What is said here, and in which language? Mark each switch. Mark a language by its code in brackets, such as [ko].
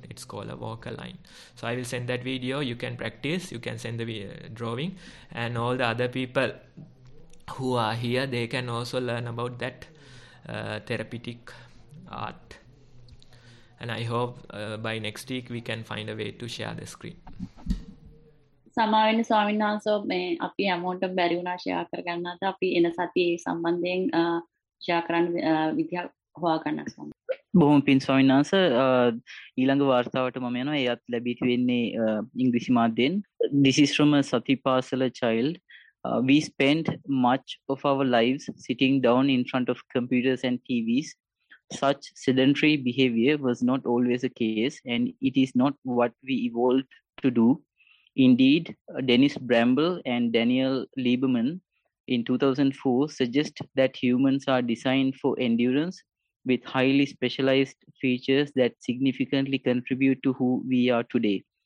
[en] It's called a walker line. So I will send that video. You can practice, you can send the drawing, and all the other people who are here, they can also learn about that therapeutic art. And I hope by next week we can find a way to share the screen. [si] සමාවෙන්න ස්වාමීන් වහන්සෝ මේ අපි හැමෝටම බැරි වුණා share කරගන්නත් අපි එන සතියේ සම්බන්ධයෙන් ෂෙයා කරන්න විදිහ හොයාගන්න ස්වාමීන් බොහොම පින් ස්වාමීන් වහන්ස ඊළඟ වார்த்தාවට මම යනවා ඒත් ලැබී තිබෙන්නේ ඉංග්‍රීසි මාධ්‍යෙන් [en] This is from a Satipasala child we spend much of our lives sitting down in front of computers and TVs such sedentary behavior was not always a case and it is not what we evolved to do Indeed, Dennis Bramble and Daniel Lieberman in 2004 suggest that humans are designed for endurance with highly specialized features that significantly contribute to who we are today.